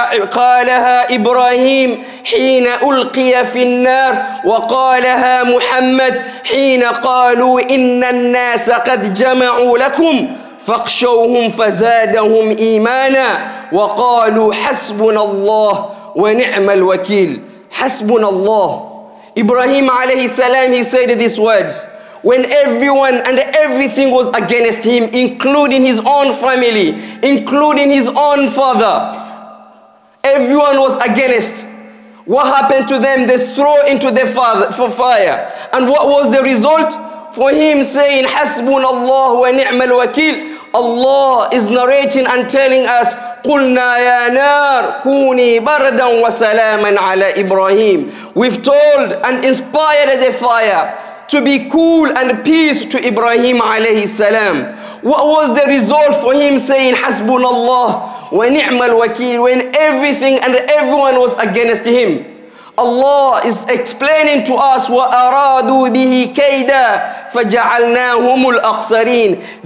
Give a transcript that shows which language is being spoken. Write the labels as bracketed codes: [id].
[ar] قالها إبراهيم حين ألقي في النار, وقالها محمد حين قالوا إن الناس قد جمعوا لكم فاخشوهم فزادهم إيمانا وقالوا حسبنا الله ونعم الوكيل. حسبنا الله. [en] إبراهيم عليه السلام, he said these words when everyone and everything was against him, including his own family, including his own father. Everyone was against. What happened to them? They threw into the fire. And what was the result? For him saying, [ar] حَسْبُنَ اللَّهُ وَنِعْمَ الْوَكِيلُ, [en] Allah is narrating and telling us, [ar] قُلْنَا يَا نَارُ كُونِي بَرْدًا وَسَلَامًا عَلَى إِبْرَاهِيمُ. [en] We've told and inspired the fire to be cool and peace to Ibrahim alayhi salam. What was the result for him saying [ar] حَسْبُنَا اللَّهُ وَنِعْمَ الْوَكِيلُ [en] when everything and everyone was against him? Allah is explaining to us, [ar] وَأَرَادُوا بِهِ كَيْدًا فَجَعَلْنَاهُمُ الْأَقْصَرِينَ.